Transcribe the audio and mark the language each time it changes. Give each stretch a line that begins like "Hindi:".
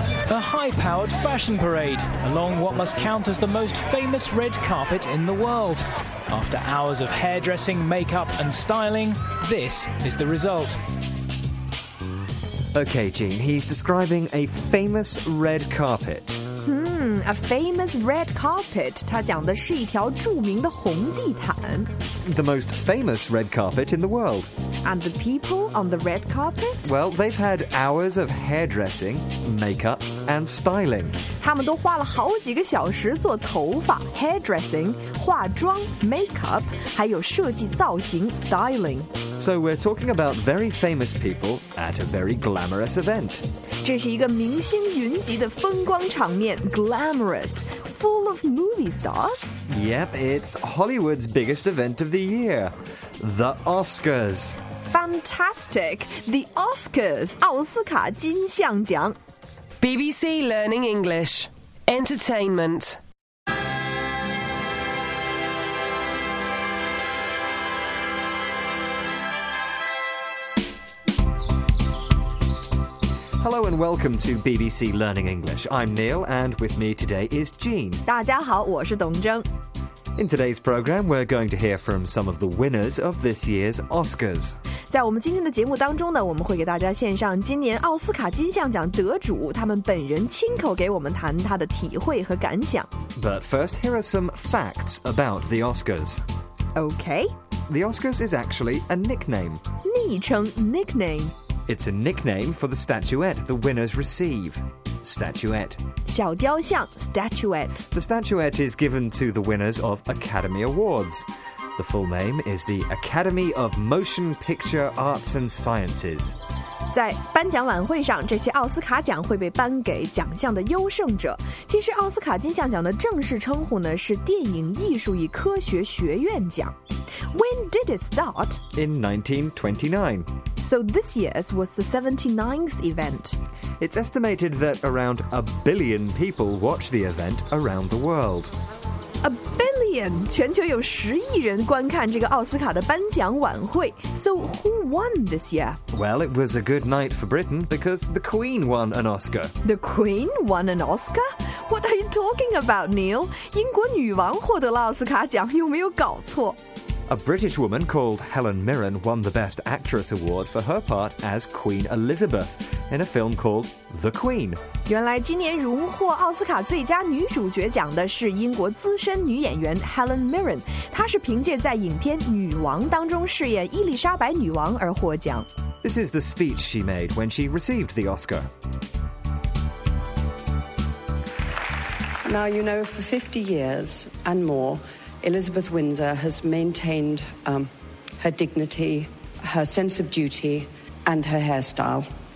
English: A high-powered fashion parade, along what must count as the most famous red carpet in the world. After hours of hairdressing, makeup and styling, this is the result. OK, Jean, he's describing a famous red carpet. A famous red carpet.
Chinese: 它讲的是一条著名的红地毯。
English: The most famous red carpet in the world. And the people on the red carpet? Well, they've had hours of hairdressing, makeup, and styling.
Chinese: 他们都花了好几个小时做头发 hairdressing, 化妆 makeup, 还有设计造型 styling.
English: So we're talking about very famous people at a very glamorous event.
Chinese: 这是一个明星云集的风光场面 glamorous,
English: full of movie stars. Yep, it's Hollywood's biggest event of the year, the Oscars. Fantastic, the Oscars, 奥斯卡金像奖 BBC Learning English, entertainment. Hello and welcome to BBC Learning English. I'm Neil and with me today is Jean.
Chinese: 大家好我是董征。
English: In today's programme, we're going to hear from some of the winners of this year's Oscars.
Chinese: 在我们今天的节目当中呢我们会给大家献上今年奥斯卡金像奖得主他们本人亲口给我们谈他的体会和感想。
English: But first, here are some facts about the Oscars. Okay. The Oscars is actually a nickname.
Chinese: 昵称 nickname.
English: It's a nickname for the statuette the winners receive. Statuette.
Chinese: 小雕像 statuette.
English: The statuette is given to the winners of Academy Awards. The full name is the Academy of Motion Picture Arts and Sciences.
Chinese: 在颁奖晚会上这些奥斯卡奖会被颁给奖项的优胜者。其实奥斯卡金像奖的正式称呼呢是电影艺术与科学学院奖。
English: When did it start? In 1929. So this year's was the 79th event. It's estimated that around a billion people watch the event around the world. A billion!
Chinese: 全球有十亿人观看这个奥斯卡的颁奖晚会。
English: So who won this year? Well, it was a good night for Britain because the Queen won an Oscar. The Queen won an Oscar? What are you talking about, Neil?
Chinese: 英国女王获得了奥斯卡奖，有没有搞错？
English: A British woman called Helen Mirren won the Best Actress Award for her part as Queen Elizabeth in a film called The Queen.
Chinese: 原来今年荣获奥斯卡最佳女主角奖的是英国资深女演员 Helen Mirren. 她是凭借在影片《女王》当中饰演伊丽莎白女王而获奖。
English: This is the speech she made when she received the Oscar. Now, you know, for 50 years and more, Elizabeth Windsor has maintained, her dignity, her sense of duty, and her hairstyle.